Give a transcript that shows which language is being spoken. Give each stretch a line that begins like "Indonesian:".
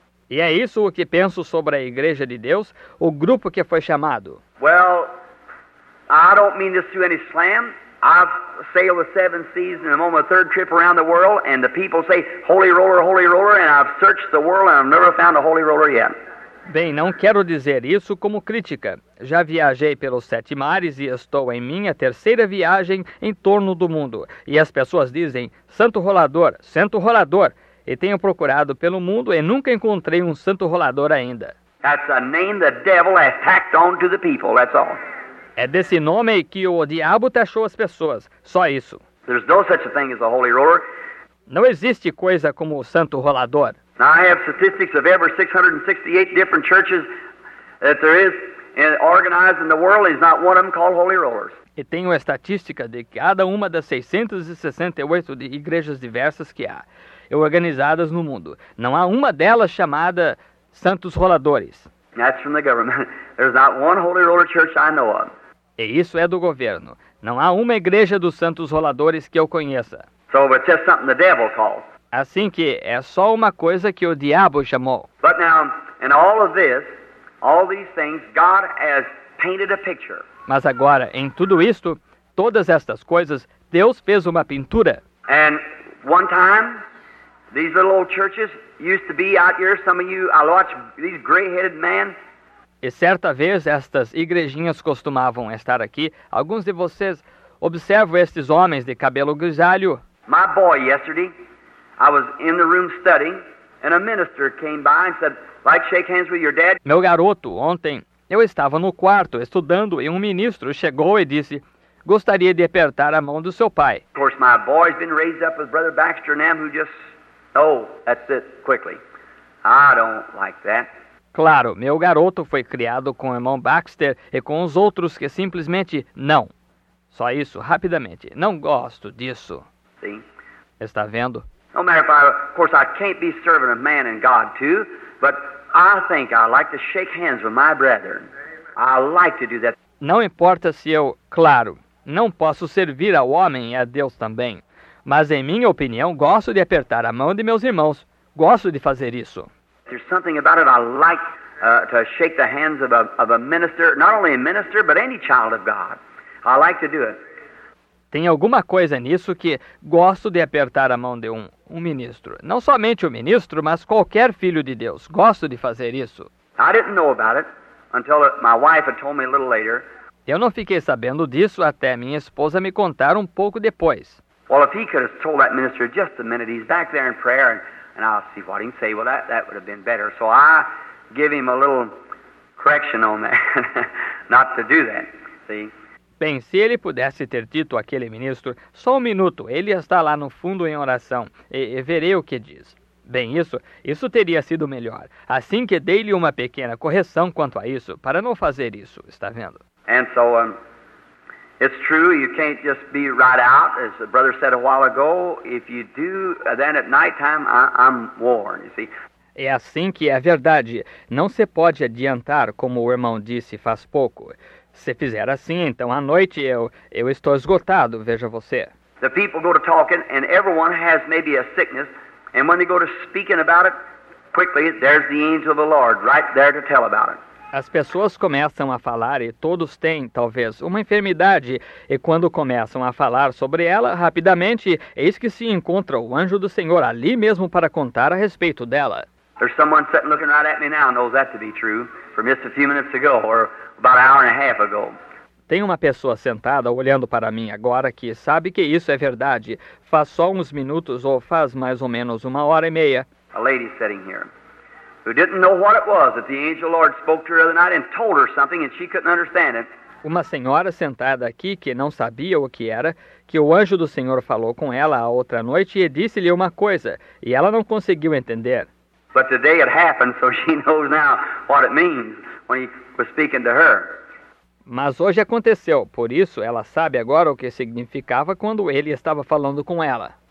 Portuguese: E é isso o que penso sobre a Igreja de Deus, o grupo que foi chamado.
English: Well, I don't mean this to any slam. I've sailed the seven seas and I'm on my third trip around the world, and the people say, holy roller, and I've searched the world and I've never found a holy roller yet.
Portuguese: Bem, não quero dizer isso como crítica. Já viajei pelos sete mares e estou em minha terceira viagem em torno do mundo. E as pessoas dizem, santo rolador, santo rolador. E tenho procurado pelo mundo e nunca encontrei um santo rolador ainda.
English: That's a name the devil has tacked on to the people, that's all.
Portuguese: É desse nome que o diabo taxou as pessoas, só isso.
English: There's no such a thing as a holy roller.
Portuguese: Não existe coisa como o santo rolador.
English: Now I have statistics of every 668 different churches that there is organized in the world, is not one of them called holy rollers.
Portuguese: E tenho a estatística de cada uma das 668 de igrejas diversas que há, organizadas no mundo. Não há uma delas chamada santos roladores.
English: That's from the government. There's not one holy roller church I know of.
Portuguese: E isso é do governo. Não há uma igreja dos santos roladores que eu conheça.
English: So it's just something the devil calls.
Portuguese: Assim que é só uma coisa que o diabo chamou.
English: But now, in all of this, all these things, God has painted a picture.
Portuguese: Mas agora, em tudo isto, todas estas coisas, Deus fez uma pintura.
English: And one time, these little old churches used to be out here, some of you, I watched these gray-headed men.
Portuguese: E certa vez, estas igrejinhas costumavam estar aqui. Alguns de vocês observam estes homens de cabelo grisalho.
English: My boy, yesterday, I was in the room studying, and a minister came by and said, like shake hands with your dad.
Portuguese: Meu garoto, ontem, eu estava no quarto estudando, e um ministro chegou e disse, gostaria de apertar a mão do seu pai.
English: Of course, my boy's been raised up with Brother Baxter Nam, who just, oh, that's it, quickly. I don't like that.
Portuguese: Claro, meu garoto foi criado com o irmão Baxter e com os outros que simplesmente, não. Só isso, rapidamente. Não gosto disso. Sim. Está vendo?
English: No matter if I, of course, I can't be serving a man and God too, but I think I like to shake hands with my brethren. I like to do that.
Portuguese: Não importa se eu, claro, não posso servir ao homem e a Deus também, mas em minha opinião, gosto de apertar a mão de meus irmãos. Gosto de fazer isso.
English: There's something about it I like to shake the hands of a minister, not only a minister, but any child of God. I like to do it.
Portuguese: Tem alguma coisa nisso que gosto de apertar a mão de um ministro. Não somente o ministro, mas qualquer filho de Deus. Gosto de fazer isso.
English: I didn't know about it until my wife had told me a little later.
Portuguese: Eu não fiquei sabendo disso até minha esposa me contar um pouco depois.
English: Well, if he could have told that minister just a minute, he's back there in prayer, and I'll see what he can say. Well, that would have been better. So I give him a little correction on that, not to do that, see?
Portuguese: Bem, se ele pudesse ter dito àquele ministro, só um minuto, ele está lá no fundo em oração, e verei o que diz. Bem, isso teria sido melhor. Assim que dei-lhe uma pequena correção quanto a isso, para não fazer isso, está vendo?
English: And so, it's true, you can't just be right out, as the brother said a while ago, if you do, then at night time, I'm worn, you see?
Portuguese: É assim que é verdade, não se pode adiantar, como o irmão disse faz pouco. Se fizer assim, então à noite eu estou esgotado, veja você.
English: The people go to talking and everyone has maybe a sickness, and when they go to speaking about it, quickly there's the angel of the Lord right there to tell about it.
Portuguese: As pessoas começam a falar e todos têm talvez uma enfermidade, e quando começam a falar sobre ela, rapidamente eis que se encontra o anjo do Senhor ali mesmo para contar a respeito dela.
English: There's someone sitting looking right at me now knows that to be true from just a few minutes ago or about an hour and a half ago.
Portuguese: Tem uma pessoa sentada olhando para mim agora que sabe que isso é verdade. Faz só uns minutos ou faz mais ou menos uma hora e meia.
English: A lady sitting here who didn't know what it was that the angel Lord spoke to her the other night and told her something and she couldn't understand it.
Portuguese: Uma senhora sentada aqui que não sabia o que era, que o anjo do Senhor falou com ela a outra noite e disse-lhe uma coisa e ela não conseguiu entender.
English: But today it happened, so she knows now what it means when he was speaking to her.
Portuguese: Mas hoje aconteceu, por isso ela sabe agora o que significava quando ele estava falando com ela.